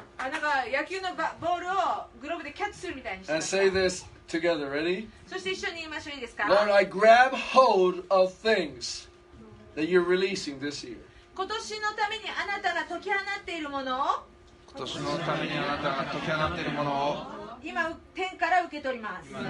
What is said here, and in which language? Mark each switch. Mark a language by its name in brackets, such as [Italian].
[Japanese] あ、なんか野球のボールをグローブでキャッチするみたいにして。 [English] And say this together. Ready? [Japanese] そして一緒に言いましょう。いいですか [English] ？Lord, I grab hold of things that you're releasing this year. [Japanese] 今年のためにあなたが解き放っているものを今年のためにあなたが解き放っているものを今天から受け取ります